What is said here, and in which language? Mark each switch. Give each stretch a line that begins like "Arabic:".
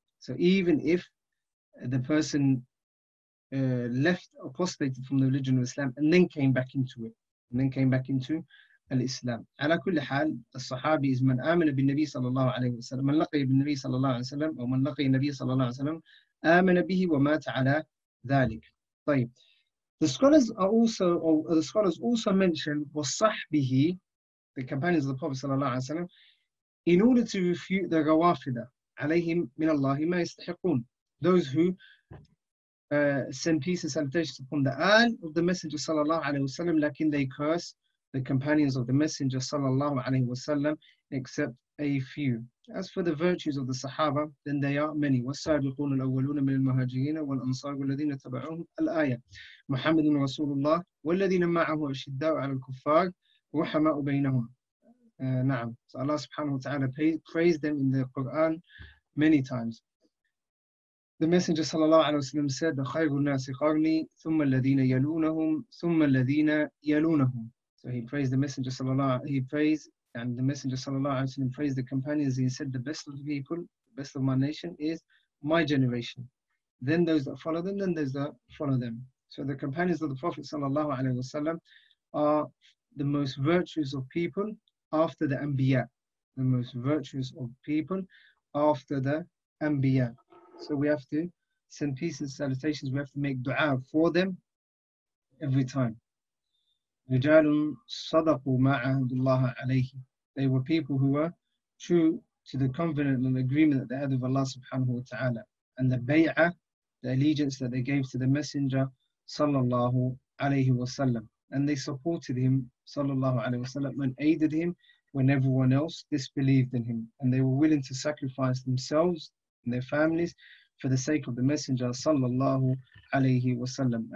English: So even if the person left, apostated from the religion of Islam and then came back into it, and then came back into Islam.
Arabic: على كل حال, الصحابي is من آمن بالنبي صلى الله عليه وسلم, من لقي بالنبي صلى الله عليه وسلم, أو من لقي النبي صلى الله عليه وسلم, آمن به ومات على ذلك. طيب,
English: the scholars also mention وصحبه, the companions of the Prophet
Arabic: صلى الله عليه وسلم,
English: in order to refute the
Arabic: غوافدة عليهم من الله ما يستحقون,
English: those who send peace and salutations upon the آل of the Messenger صلى الله عليه وسلم,
Arabic: لكن
English: they curse the companions of the Messenger صلى الله عليه وسلم except a few. As for the virtues of the Sahaba, then they are many.
Arabic: والسابقون الأولون من المهاجرين والأنصار والذين تبعوهم الآية محمد رسول الله والذين معه أشداء على الكفار رحماء بينهم. نعم.
English: So Allah subhanahu wa ta'ala praised them in the Quran many times. The Messenger
Arabic: صلى الله عليه وسلم
English: said, the
Arabic: خير الناس قرني ثم الذين يلونهم ثم الذين يلونهم.
English: So he praised the Messenger صلى الله عليه وسلم. He praised, and the Messenger sallallahu alaihi wasallam praised the companions. He said, the best of the people, the best of my nation is my generation. Then those that follow them, then those that follow them. So the companions of the Prophet sallallahu alaihi wasallam are the most virtuous of people after the Anbiya. The most virtuous of people after the Anbiya. So we have to send peace and salutations. We have to make dua for them every time.
Arabic: رجال صدقوا ما عهد الله عليه.
English: They were people who were true to the covenant and agreement that they had with Allah subhanahu wa ta'ala, and the bay'ah, the allegiance that they gave to the Messenger sallallahu alayhi wa sallam, and they supported him sallallahu alayhi wa sallam and aided him when everyone else disbelieved in him, and they were willing to sacrifice themselves and their families for the sake of the Messenger sallallahu alayhi wa sallam.